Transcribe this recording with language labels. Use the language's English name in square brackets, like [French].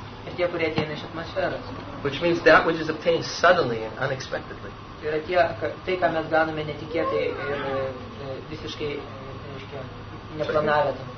[Lithuanian] ir tie kurie ateina iš atmosferos. [English] Which means that which is obtained suddenly and unexpectedly. [Lithuanian] Tai, ką mes gauname netikėtai ir visiškai neplanavę.